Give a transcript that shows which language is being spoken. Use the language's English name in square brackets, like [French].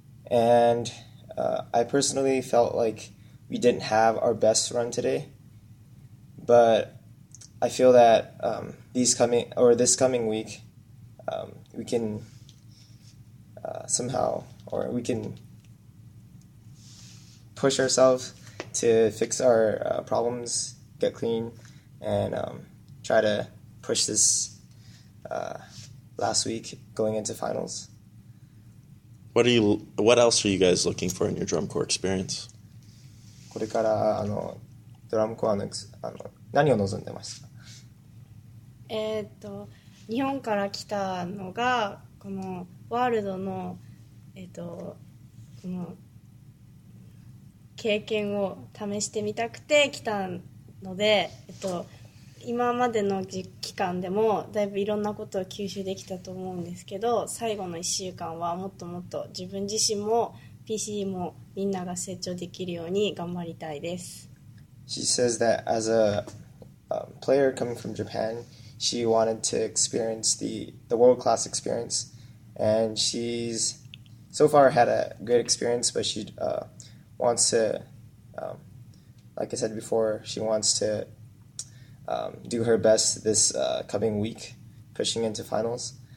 [English] And I personally felt like we didn't have our best run today, but I feel that this coming week, we can push ourselves to fix our problems, get clean, and try to push this last week going into finals. What else are you guys looking for in your drum corps experience? [Japanese] これからドラムコアの何を望んでますか？日本から来たのがこのワールドのこの経験を試してみたくて来たので今までの期間でもだいぶいろんなことを吸収できたと思うんですけど、最後の1週間はもっともっと自分自身も PC もみんなが成長できるように頑張りたいです。 [English] She says that as a player coming from Japan, she wanted to experience the world class experience, and she's so far had a great experience, but she wants to like I said before, she wants to do her best this coming week, pushing into finals.